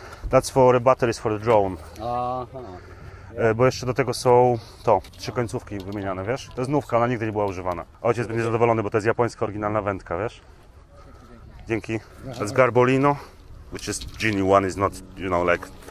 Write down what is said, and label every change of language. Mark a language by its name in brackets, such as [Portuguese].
[English] That's for batteries for the drone. [Polish] Bo jeszcze do tego są to, trzy końcówki wymieniane, wiesz? To jest nówka, ona nigdy nie była używana. Ojciec będzie zadowolony, bo to jest japońska oryginalna wędka, wiesz? Dzięki. To jest [English] Garbolino, which is genie one, is not, you know, like...